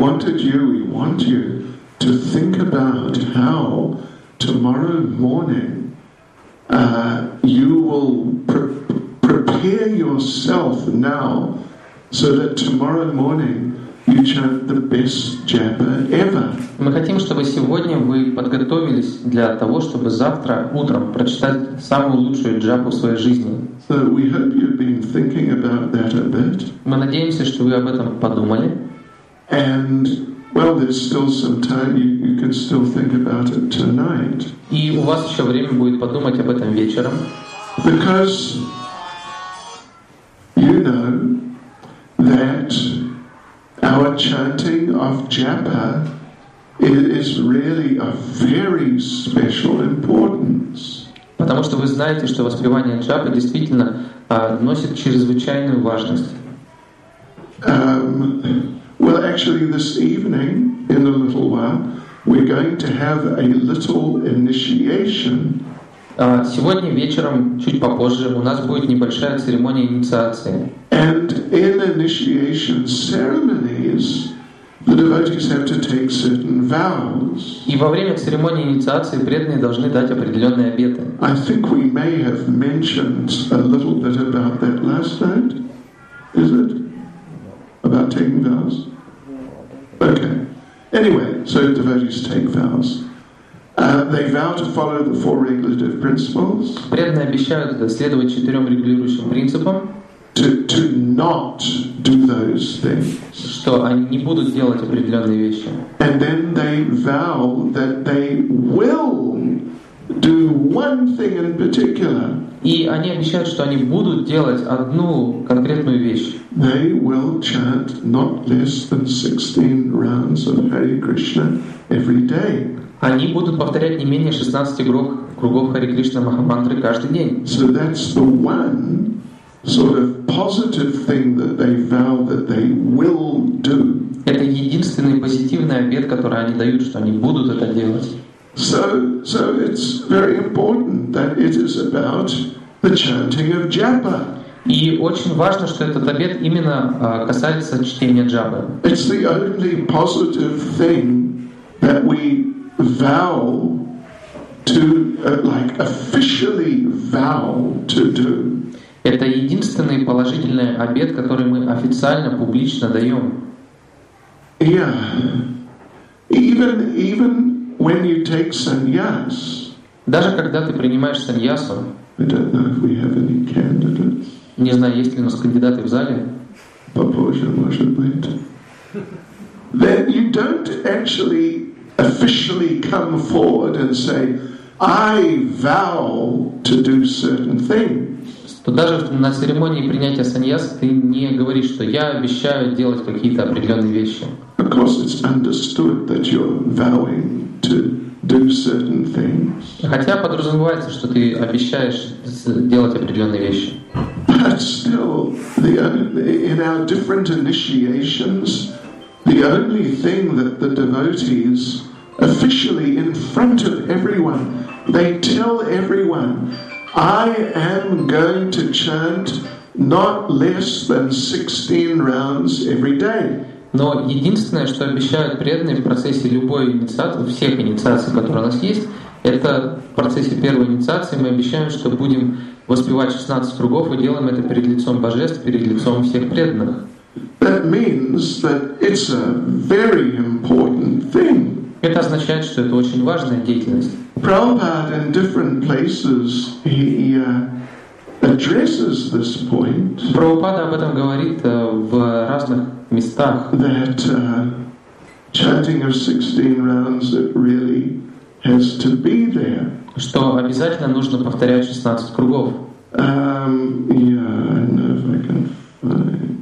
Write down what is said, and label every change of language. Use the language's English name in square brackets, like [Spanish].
[English] We want you to think about how tomorrow morning you will prepare yourself now so that tomorrow morning you chant the best japa ever. [Russian] Мы хотим, чтобы сегодня вы подготовились для того, чтобы завтра утром прочитать самую лучшую джапу в своей жизни. [English] So we hope you've been thinking about that a bit. [Russian] Мы надеемся, что вы об этом подумали. [English] And well, there's still some time. You can still think about it tonight. [Russian] И у вас еще время будет подумать об этом вечером. [English] Because you know that our chanting of japa is really of very special importance. [Russian] Потому что вы знаете, что воспевание джапы действительно носит чрезвычайную важность. [English] Well, actually, this evening, in a little while, we're going to have a little initiation. [Russian] Сегодня вечером, чуть попозже, у нас будет небольшая церемония инициации. [English] And in initiation ceremonies, the devotees have to take certain vows. [Russian] И во время церемонии инициации преданные должны дать определенные обеты. [English] I think we may have mentioned a little bit about that last night. Is it? About taking vows? Okay. Anyway, so devotees take vows. They vow to follow the four regulative principles. [Russian] Преданные обещают следовать четырем регулирующим принципам. [English] To not do those things. [Russian] Что они не будут делать определенные вещи. [English] And then they vow that they will do one thing in particular. [Russian] И они обещают, что они будут делать одну конкретную вещь. [English] They will chant not less than 16 rounds of Hare Krishna every day. [Russian] Они будут повторять не менее 16 кругов Хари Кришна Махамантры каждый день. [English] So that's the one sort of positive thing that they vow that they will do. [Russian] Это единственный позитивный обет, который они дают, что они будут это делать. [English] So it's very important that it is about the chanting of japa. [Russian] И очень важно, что этот обет именно касается чтения джапы. [English] It's the only positive thing that we vow to, like, officially vow to do. [Russian] Это единственный положительный обет, который мы официально, публично даем. [English] Yeah. Even when you take sannyas. [Russian] Даже когда ты принимаешь саньясу. [English] I don't know if we have any candidates. [Russian] Не знаю, есть ли у нас кандидаты в зале. Попозже, может быть. [English] Then you don't actually officially come forward and say, I vow to do certain things. [Russian] То даже на церемонии принятия саньясы ты не говоришь, что я обещаю делать какие-то определенные вещи. [English] Of course, it's understood that you're vowing to do certain things. [Russian] Хотя подразумевается, что ты обещаешь делать определенные вещи. [English] But still, in our different initiations, the only thing that the devotees officially in front of everyone, they tell everyone, I am going to chant not less than 16 rounds every day. [Russian] Но единственное, что обещают преданные в процессе любой инициации, всех инициаций, которые у нас есть, это в процессе первой инициации мы обещаем, что будем воспевать 16 кругов и делаем это перед лицом Божеств, перед лицом всех преданных. [English] That means that it's a very important thing. [Russian] Это означает, что это очень важная деятельность. [English] Prabhupada in different places addresses this point. [Russian] Прабхупада об этом говорит в разных местах. [English] That chanting of 16 rounds it really has to be there. [Russian] Что обязательно нужно повторять 16 кругов. [English] Yeah, I don't know if I can find.